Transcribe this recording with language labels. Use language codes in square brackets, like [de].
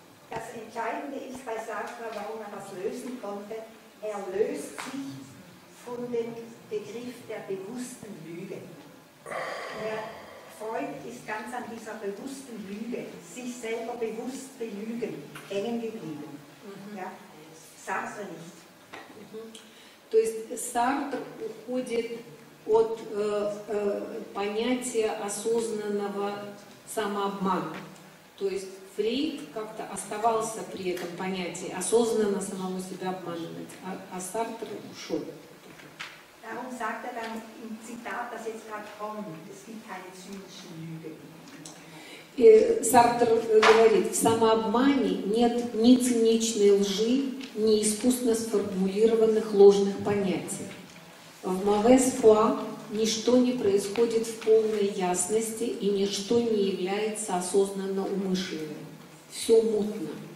[de] Das Entscheidende ist bei Sartre, warum er das lösen konnte, er löst sich von dem Begriff der bewussten Lüge. Der Freud ist ganz an dieser bewussten Lüge, sich selber bewusst belügen, hängen geblieben. Ja? Sartre nicht. [ru] То есть Сартр уходит от понятия осознанного самообмана. То есть Фрейд как-то оставался при этом понятии осознанно самого себя обманывать, а Сартр ушел. [de] Darum sagt dann im Zitat, das jetzt gerade kommt, es gibt keine zynischen Lüge. [ru] И Сартр говорит, в самообмане нет ни циничной лжи, ни искусно сформулированных ложных понятий. В mauvaise foi ничто не происходит в полной ясности и ничто не является осознанно умышленным. Все мутно.